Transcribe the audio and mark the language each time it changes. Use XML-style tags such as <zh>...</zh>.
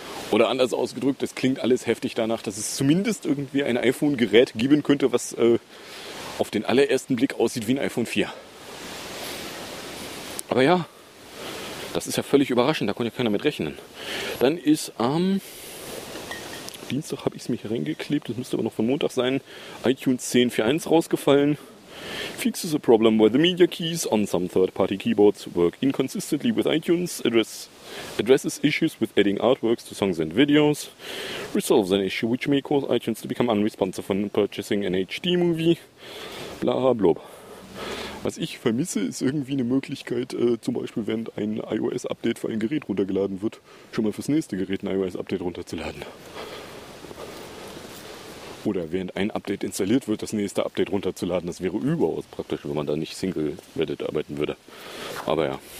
<de>Oder anders ausgedrückt, es klingt alles heftig danach, dass es zumindest irgendwie ein iPhone-Gerät geben könnte, was auf den allerersten Blick aussieht wie ein iPhone 4. Aber ja, das ist ja völlig überraschend, da konnte ja keiner mit rechnen. Dann ist am Dienstag, habe ich es mir hier reingeklebt, das müsste aber noch von Montag sein, iTunes 10.4.1 rausgefallen.</de> <en>Fixes a problem where the media keys on some third-party keyboards work inconsistently with iTunes. Addresses issues with adding artworks to songs and videos. Resolves an issue which may cause iTunes to become unresponsive when purchasing an HD movie.</en> <de>Bla bla bla. Was ich vermisse, ist irgendwie eine Möglichkeit, zum Beispiel während ein iOS-Update für ein Gerät runtergeladen wird, schon mal fürs nächste Gerät ein iOS-Update runterzuladen. Oder während ein Update installiert wird, das nächste Update runterzuladen. Das wäre überaus praktisch, wenn man da nicht single-threaded arbeiten würde. Aber ja.</de>